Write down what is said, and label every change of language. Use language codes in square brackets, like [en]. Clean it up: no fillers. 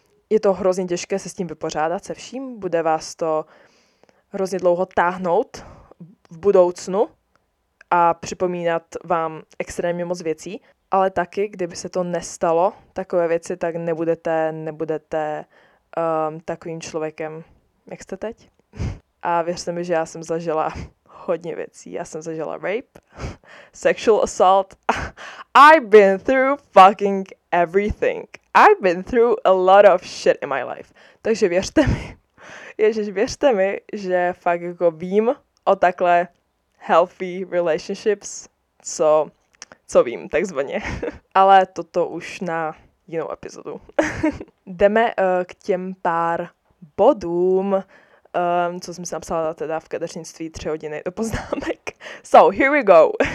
[cs] Je to hrozně těžké se s tím vypořádat, se vším. Bude vás to hrozně dlouho táhnout v budoucnu a připomínat vám extrémně moc věcí. Ale taky, kdyby se to nestalo, takové věci, tak nebudete takovým člověkem, jak jste teď. A věřte mi, že já jsem zažila hodně věcí. Já jsem zažila [en] rape, sexual assault. I've been through fucking everything. I've been through a lot of shit in my life. [cs] Takže věřte mi, ježiš, věřte mi, že fakt jako vím o takhle [en] healthy relationships, [cs] co vím, takzvaně. Ale toto už na jinou epizodu. Jdeme k těm pár bodům, co jsem si napsala teda v kadeřnictví 3 hodiny do poznámek. [en] So, here we go.